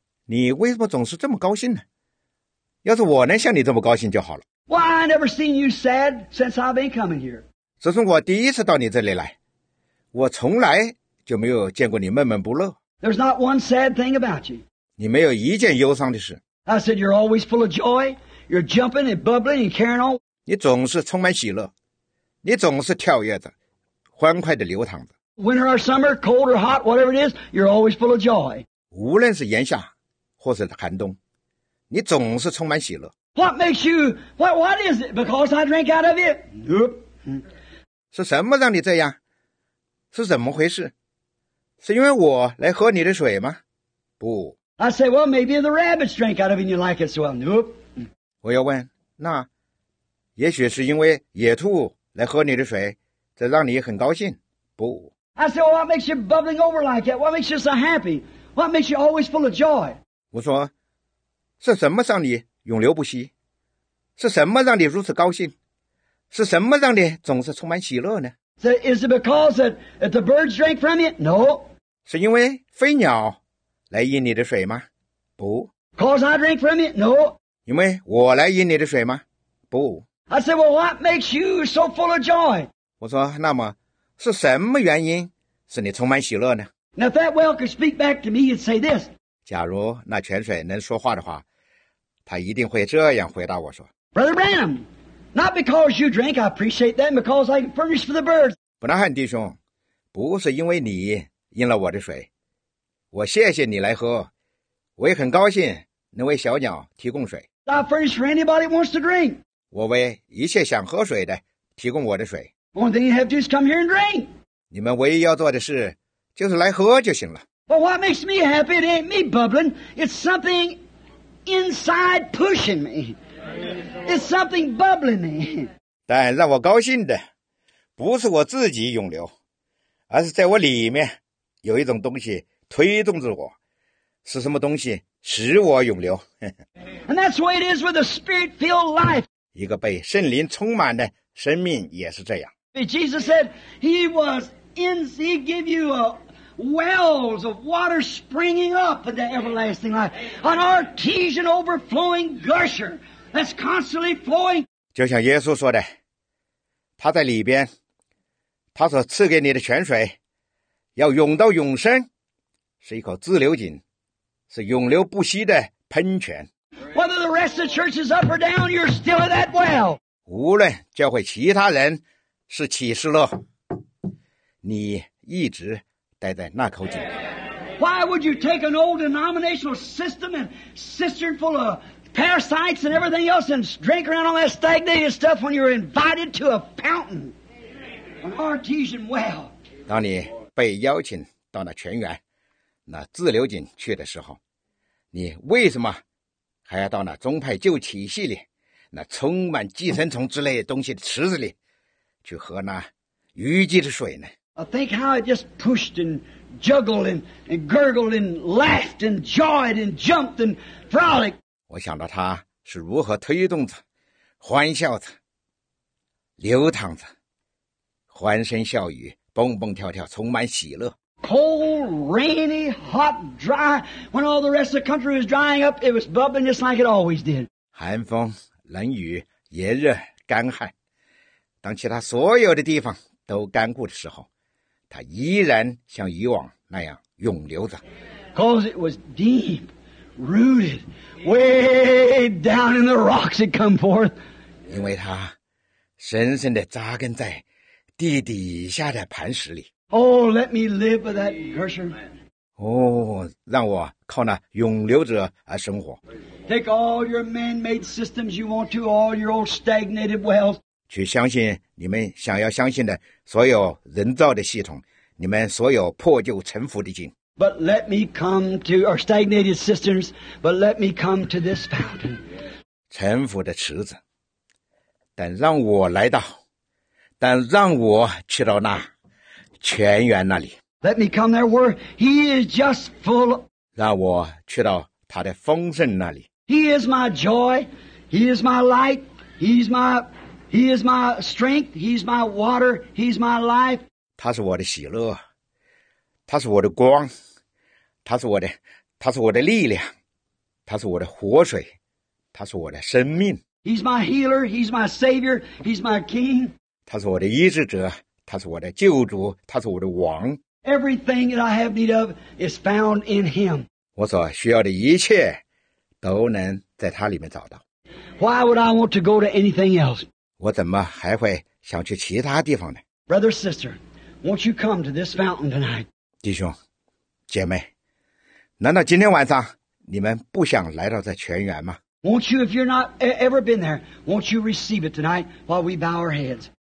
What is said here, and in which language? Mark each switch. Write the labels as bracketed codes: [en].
[zh] 你为什么总是这么高兴呢？要是我能像你这么高兴就好了。 [en] Well, I've never seen you sad since I've been coming here. [zh] 自从我第一次到你这里来，我从来就没有见过你闷闷不乐。 [en] There's not one sad thing about you. [zh] 你没有一件忧伤的事。 [en] I said you're always full of joy. You're jumping and bubbling and carrying on. [zh] 你总是充满喜乐，你总是跳跃着，欢快地流淌着。 [en] Winter or summer, cold or hot, whatever it is, you're always full of joy. [zh] 无论是炎夏或是寒冬，你总是充满喜乐。 [en] What makes you, what is it? Because I drink out of it? Nope. [zh] 是什么让你这样？是怎么回事？是因为我来喝你的水吗？不。 [en] I say, well, maybe the rabbits drink out of it and you like it so well. Nope. [zh] 我要问，那也许是因为野兔来喝你的水，这让你很高兴？不。 [en] I say, well, what makes you bubbling over like it? What makes you so happy? What makes you always full of joy? [zh] 我说，是什么让你永流不息？是什么让你如此高兴？是什么让你总是充满喜乐呢？ [en] So, is it because that the birds drink from it? No. [zh] 是因为飞鸟来饮你的水吗？不。 [en] Because I drink from it? No. [zh] 因为我来饮你的水吗？不。 [en] I say, well, what makes you so full of joy? [zh] 我说，那么是什么原因使你充满喜乐呢？ [en] Now, if that well could speak back to me, he'd say this. [zh] 假如那泉水能说话的话，他一定会这样回答我说， [en] Brother Branham, not because you drink, I appreciate that, because I furnish for the birds. [zh] 布拉汉弟兄，不是因为你饮了我的水，我谢谢你来喝，我也很高兴能为小鸟提供水。 [en] I furnish for anybody who wants to drink. [zh] 我为一切想喝水的提供我的水。 [en] One thing you have to do is come here and drink. [zh] 你们唯一要做的事就是来喝就行了。 [en] But what makes me happy, it ain't me bubbling, it's something inside pushing me. It's something bubbling me. [zh] 但让我高兴的不是我自己涌流，而是在我里面有一种东西推动着我。是什么东西使我涌流？ [en] And that's what it is with a spirit-filled life. [zh] 一个被圣灵充满的生命也是这样。 [en] Jesus said he gave you a wells of water springing up in the everlasting life, an artesian overflowing gusher that's constantly flowing. [zh] 就像耶稣说的，他在里边，他所赐给你的泉水要涌到永生，是一口自流井，是永流不息的喷泉。 [en] Whether the rest of the church is up or down, you're still at that well. [zh] 无论教会其他人是起是落，你一直待在那口井。 [en] Why would you take an old denominational system and cistern full of parasites and everything else and drink around all that stagnated stuff when you're invited to a fountain, an artesian well? [zh] 当你被邀请到那泉源、那自流井去的时候，你为什么还要到那宗派旧体系里、那充满寄生虫之类的东西的池子里去喝那淤积的水呢？ [en] I think how it just pushed and juggled and gurgled and laughed and joyed and jumped and frolicked. [zh] 我想到它是如何推动着、欢笑着、流淌着、欢声笑语、蹦蹦跳跳、充满喜乐。 [en] Cold, rainy, hot, dry. When all the rest of the country was drying up, it was bubbling just like it always did. [zh] 寒风、冷雨、炎热、干旱，当其他所有的地方都干枯的时候，它依然像以往那样涌流着。 [en] Because it was deep, rooted, way down in the rocks it come forth. [zh] 因为它深深地扎根在地底下的磐石里。 [en] Oh, let me live with that Gershon. [zh] 哦，让我靠那涌流者而生活。 [en] Take all your man-made systems you want to, all your old stagnated wells. [zh] 去相信你们想要相信的所有人造的系统，你们所有破旧沉浮的井。 [en] But let me come to our stagnated cisterns, but let me come to this fountain. [zh] 沉浮的池子，但让我来到，但让我去到那泉源那里。 [en] Let me come there where he is just full. [zh] 让我去到他的丰盛那里。 [en] He is my joy, he is my light, He is my strength, he's my water, he's my life. [zh] 他是我的喜乐，他是我的光，他是我的力量，他是我的活水，他是我的生命。 [en] He's my healer, he's my savior, he's my king. [zh] 他是我的医治者，他是我的救主，他是我的王。 [en] Everything that I have need of is found in him. [zh] 我所需要的一切都能在他里面找到。 [en] Why would I want to go to anything else? [zh] 我怎么还会想去其他地方呢? [en] Brother, sister, won't you come to this fountain tonight? [zh] 弟兄,姐妹,难道今天晚上你们不想来到这泉源吗? [en] Won't you, if you're not ever been there, won't you receive it tonight while we bow our heads?